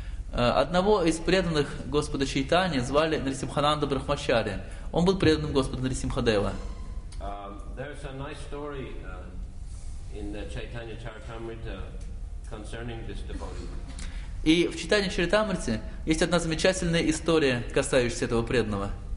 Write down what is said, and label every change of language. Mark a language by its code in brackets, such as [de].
[ru] Одного из преданных Господа Чайтаньи звали Нрисимхананда Брахмачари. Он был преданным Господа Нрисимхадева. [en] There's a nice story in the Chaitanya Charitamrita concerning this devotee. [ru] И в Чайтанья Чаритамрите есть одна замечательная история, касающаяся этого преданного.